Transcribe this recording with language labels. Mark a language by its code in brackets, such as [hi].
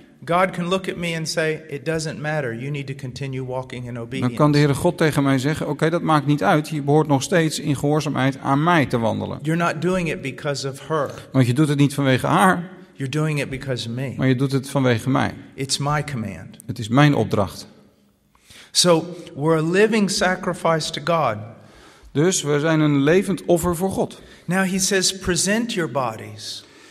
[en] God can look at me and say, it doesn't matter. You need to continue walking in obedience. [nl] Dan kan de Heere God tegen mij zeggen, oké, dat maakt niet uit. Je behoort nog steeds in gehoorzaamheid aan mij te wandelen. [en] You're not doing it because of her. [nl] Want je doet het niet vanwege haar. [en] You're doing it because of me. [nl] Maar je doet het vanwege mij. [en] It's my command. [nl] Het is mijn opdracht. [en] So we're a living sacrifice to God. [nl] Dus we zijn een levend offer voor God. [en] Now he says, present your bodies.